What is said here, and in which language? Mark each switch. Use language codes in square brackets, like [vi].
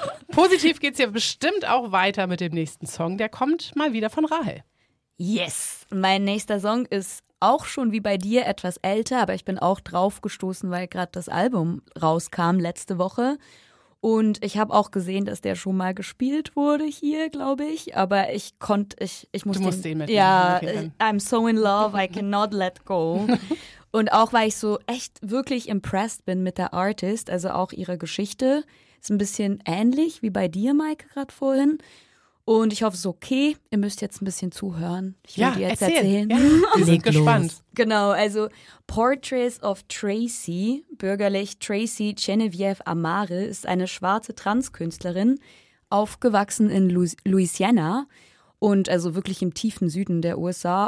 [de] Positiv geht es ja bestimmt auch weiter mit dem nächsten Song. Der kommt mal wieder von Rahel. [en] Yes. [de] Mein nächster Song ist auch schon wie bei dir etwas älter, aber ich bin auch drauf gestoßen, weil gerade das Album rauskam letzte Woche. Und ich habe auch gesehen, dass der schon mal gespielt wurde hier, glaube ich. Aber ich musste ihn mitnehmen. [en] Ja, I'm so in love, I cannot let go. [de] Und auch, weil ich so echt wirklich impressed bin mit der Artist, also auch ihre Geschichte. Ist ein bisschen ähnlich wie bei dir, Maike, gerade vorhin. Und ich hoffe, es ist okay. Ihr müsst jetzt ein bisschen zuhören. Ich will ja, dir jetzt erzählen. Ja, wir sind gespannt. Genau, also Portraits of Tracy, bürgerlich Tracy Genevieve Amare, ist eine schwarze Transkünstlerin, aufgewachsen in Louisiana und also wirklich im tiefen Süden der USA.